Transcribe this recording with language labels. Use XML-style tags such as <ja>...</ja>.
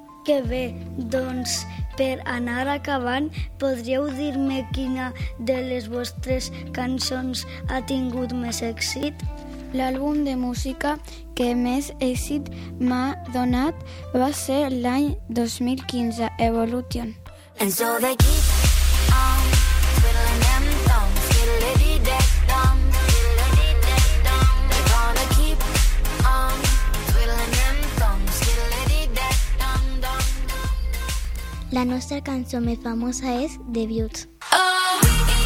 <ca>Que bé, doncs per anar acabant, podríeu dir-me quina de les vostres cançons ha tingut més èxit? L'àlbum de música que més èxit m'ha donat va ser l'any 2015, Evolution.</ca> <en>And so they keep on twiddling them thumbs, diddle-dee-dee-dum, diddle-dee-dee-dum. They're gonna keep on twiddling them thumbs, diddle-dee-dee-dum, dum-dum-dum.</en> <ca>La nostra cançó més famosa és The Beauty.</ca>